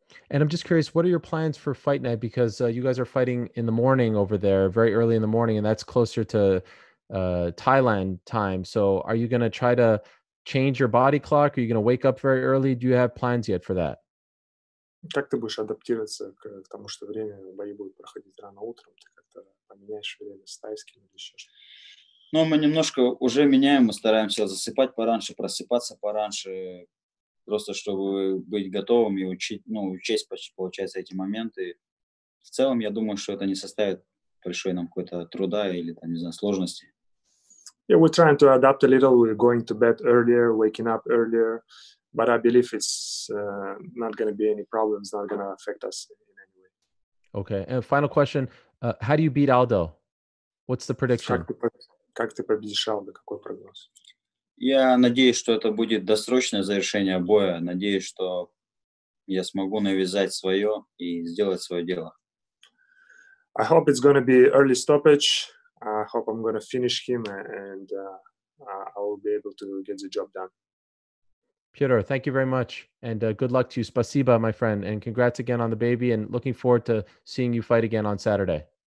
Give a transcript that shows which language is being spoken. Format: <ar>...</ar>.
<en>And I'm just curious, what are your plans for fight night? Because you guys are fighting in the morning over there, very early in the morning, and that's closer to Thailand time. So are you going to try to change your body clock? Are you going to wake up very early? Do you have plans yet for that?</en> <ru>Как ты будешь адаптироваться к тому, что время бои будет проходить рано утром? Ты как-то поменяешь время с тайским или еще что-то? Ну, мы немножко уже меняем, мы стараемся засыпать пораньше, просыпаться пораньше, просто чтобы быть готовым и учить, ну, учесть, получается, эти моменты. В целом, я думаю, что это не составит большой нам какой-то труда или, там, не знаю, сложности.</ru> <en>Yeah, we're trying to adapt a little. We're going to bed earlier, waking up earlier. But I believe it's not going to be any problems, not going to affect us in any way. Okay. And final question. How do you beat Aldo? What's the prediction?</en> <ru>Как ты победишь Aldo? Какой прогноз? Я надеюсь, что это будет досрочное завершение боя. Надеюсь, что я смогу навязать свое и сделать свое дело.</ru> <en>I hope it's going to be early stoppage. I hope I'm going to finish him and I will be able to get the job done. Peter, thank you very much. And good luck to you.</en> <ru>Спасибо,</ru> <en>my friend. And congrats again on the baby. And looking forward to seeing you fight again on Saturday.</en>